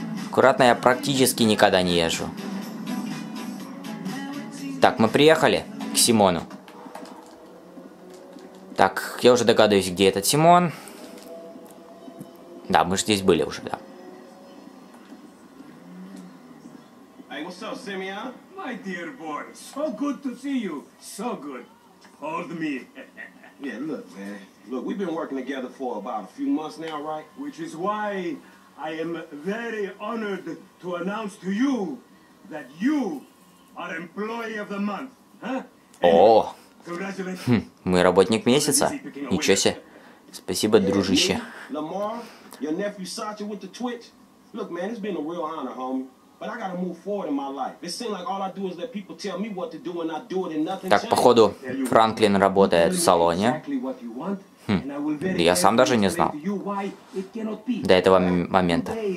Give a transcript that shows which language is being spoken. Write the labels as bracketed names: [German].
[Russian] Аккуратно, я практически никогда не езжу. Так, мы приехали к Симону. Так, я уже догадываюсь, где этот Симон. Да, мы же здесь были уже, да. [English] Hey, what's up, Simeon? My dear boy, so good to see you, so good. Hold me. Yeah, look, man. Look, we've been working together for about a few months now, right? Which is why I am very honored to announce to you that you are employee of the month, huh? Oh. Congratulations. [Russian] Хм, мы работник месяца. Ничего себе. Спасибо, дружище. [English] Lamar, your nephew Sacha with the Twitch. Look, man, it's been a real honor, homie. But I gotta move forward in my life. It seems like all I do is let people tell me what to do and I do it and nothing. [Russian] Так, походу, Франклин работает в салоне. Хм. Я сам даже не знал до этого момента.